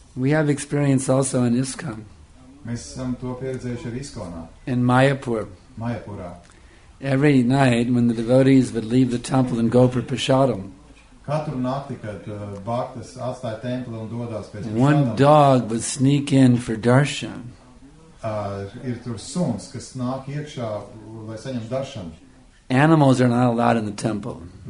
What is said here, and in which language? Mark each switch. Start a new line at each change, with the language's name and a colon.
English: We have experience also in ISKCON.
Latvian: Mēs esam to pieredzējuši ar ISKCONā.
English: In Mayapur.
Latvian: Mayapurā.
English: Every night when the devotees would leave the temple and go for prasadam.
Latvian: Katru nakti, kad bhaktas atstāja templi un dodās pēc prasadam.
English: One dog would sneak in for darshan.
Latvian: Ir tur suns, kas nāk iekšā, lai saņem darshan.
English: Animals are not allowed in the temple.